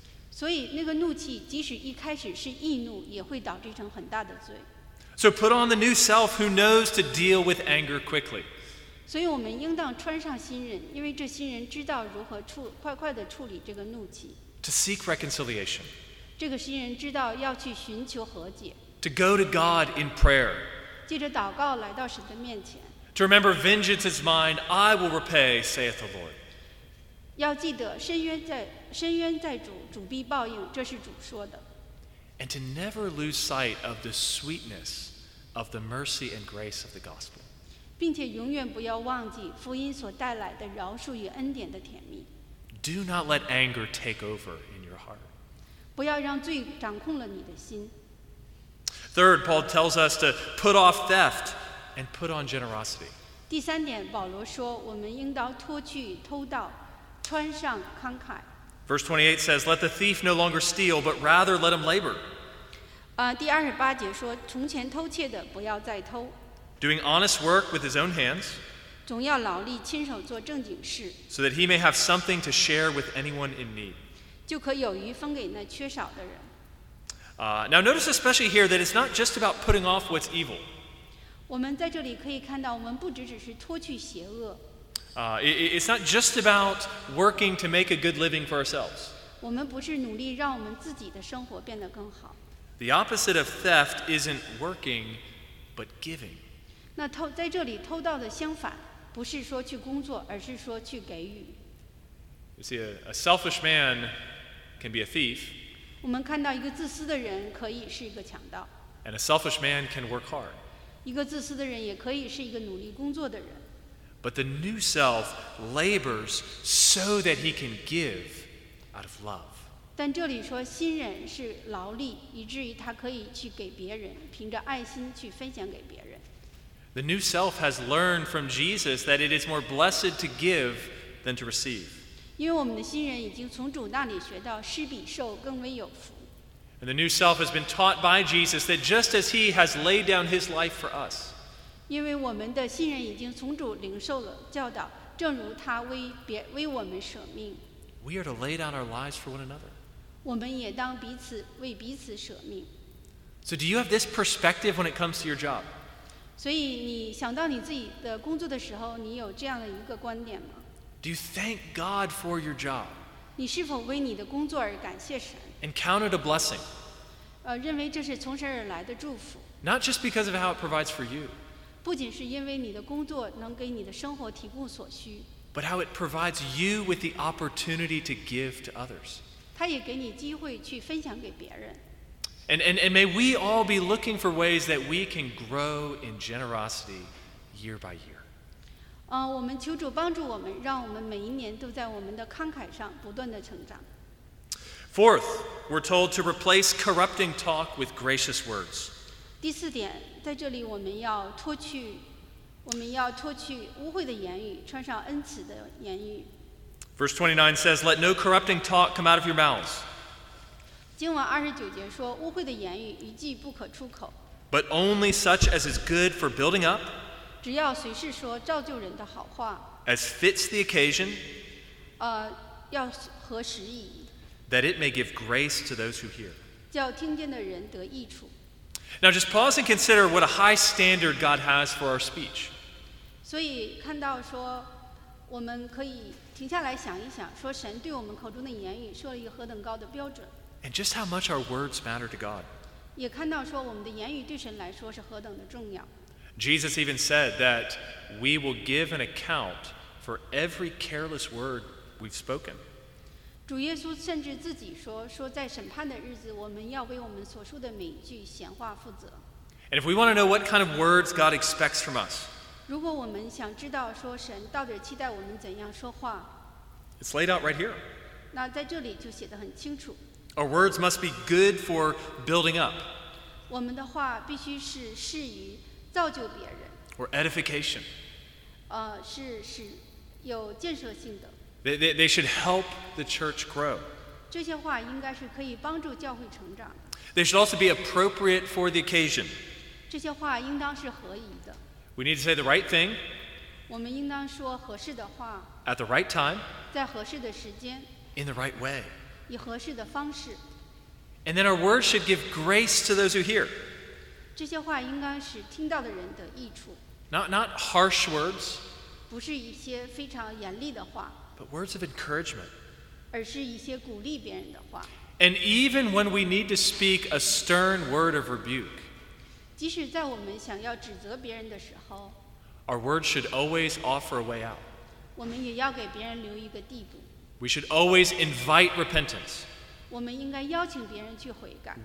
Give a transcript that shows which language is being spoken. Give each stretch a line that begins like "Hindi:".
Chinese: 所以那个怒气即使一开始是易怒，也会导致成很大的罪。
English: So put on the new self who knows to deal with anger quickly.
Chinese: 所以我们应当穿上新人，因为这新人知道如何快快地处理这个怒气。
English: To seek reconciliation.
Chinese: 这个新人知道要去寻求和解。
English: To go to God in prayer.
Chinese: 借着祷告来到神的面前。
English: To remember, vengeance is mine, I will repay, saith the Lord.
Chinese: 要记得深渊在主，主必报应，这是主说的。
English: And to never lose sight of the sweetness of the mercy and grace of the gospel.
Chinese: 并且永远不要忘记福音所带来的饶恕与恩典的甜蜜。
English: Do not let anger take over in your heart.
Chinese: 不要让罪掌控了你的心。
English: Third, Paul tells us to put off theft. And put on generosity.
Chinese: 第三点，保罗说，我们应当脱去偷盗，穿上慷慨。
English: Verse 28 says, "Let the thief no longer steal, but rather let him labor."
Chinese: 第二十八节说，从前偷窃的不要再偷。
English: Doing honest work with his own hands.
Chinese: 总要劳力，亲手做正经事。
English: So that he may have something to share with anyone in need.
Chinese: 就可有余分给那缺少的人。
English: Now notice especially here that it's not just about putting off what's evil.
Chinese: 我们在这里可以看到，我们不只是脱去邪恶。
English: It's not just about working to make a good living for ourselves.
Chinese: 我们不是努力让我们自己的生活变得更好。
English: The opposite of theft isn't working, but giving.
Chinese: 那偷在这里偷盗的相反，不是说去工作，而是说去给予。
English: You see, a selfish man can be a thief.
Chinese: 我们看到一个自私的人可以是一个强盗。
English: And a selfish man can work hard.
Chinese: 一个自私的人也可以是一个努力工作的人。
English: But the new self labors so that he can give out of love.
Chinese: 但这里说新人是劳力，以至于他可以去给别人，凭着爱心去分享给别人。
English: The new self has learned from Jesus that it is more blessed to give than to receive.
Chinese: 因为我们的新人已经从主那里学到施比受更为有福。
English: And the new self has been taught by Jesus that just as he has laid down his life for us.
Chinese: 因为我们的新人已经从主领受了教导，正如他为我们舍命。
English: We are to lay down our lives for one another.
Chinese: 我们也当彼此为彼此舍命。
English: So do you have this perspective when it comes to your job?
Chinese: 所以你想到你自己的工作的时候，你有这样的一个观点吗？
English: Do you thank God for your job?
Chinese: 你是否为你的工作而感谢神？
English: And count it a blessing.
Chinese: 认为这是从神而来的祝福。
English: Not just because of how it provides for you.
Chinese: 不仅是因为你的工作能给你的生活提供所需。
English: But how it provides you with the opportunity to give to others.
Chinese: 它也给你机会去分享给别人。
English: And may we all be looking for ways that we can grow in generosity year by year.
Chinese: 我们求主帮助我们，让我们每一年都在我们的慷慨上不断的成长。
English: Fourth, we're told to replace corrupting talk with gracious words.
Chinese: 第四点，在这里我们要脱去污秽的言语，穿上恩慈的言语。
English: Verse 29 says, "Let no corrupting talk come out of your mouths."
Chinese: 经文二十九节说，污秽的言语一句不可出口。
English: But only such as is good for building up.
Chinese: 只要随时说造就人的好话。
English: As fits the occasion.
Chinese: 要合时宜。
English: That it may give grace to those who hear.
Chinese: 叫听见的人得益处。
English: Now just pause and consider what a high standard God has for our speech.
Chinese: 所以看到说，我们可以停下来想一想，说神对我们口中的言语设了一个何等高的标准。
English: And just how much our words matter to God.
Chinese: 也看到说我们的言语对神来说是何等的重要。
English: Jesus even said that we will give an account for every careless word we've spoken.
Chinese: 主耶稣甚至自己说，说在审判的日子，我们要为我们所说的每句闲话负责。
English: And if we want to know what kind of words God expects from us,
Chinese: 如果我们想知道说神到底期待我们怎样说话，
English: it's laid out right here.
Chinese: 那在这里就写得很清楚。
English: Our words must be good for building up.
Chinese: 我们的话必须是适于造就别人。
English: Or edification.
Chinese: 是有建设性的。
English: They should help the church grow.
Chinese: 这些话应该是可以帮助教会成长。
English: They should also be appropriate for the occasion.
Chinese: 这些话应当是合宜的。
English: We need to say the right thing.
Chinese: 我们应当说合适的话。
English: At the right time.
Chinese: 在合适的时间。
English: In the right way.
Chinese: 以合适的方式。
English: And then our words should give grace to those who hear.
Chinese: 这些话应该是听到的人的益处。
English: Not harsh words.
Chinese: 不是一些非常严厉的话。
English: But words of encouragement.
Chinese: 而是一些鼓励别人的话。
English: And even when we need to speak a stern word of rebuke,
Chinese: 即使在我们想要指责别人的时候，
English: our words should always offer a way out.
Chinese: 我们也要给别人留一个地步。
English: We should always invite repentance.
Chinese: 我们应该邀请别人去悔改。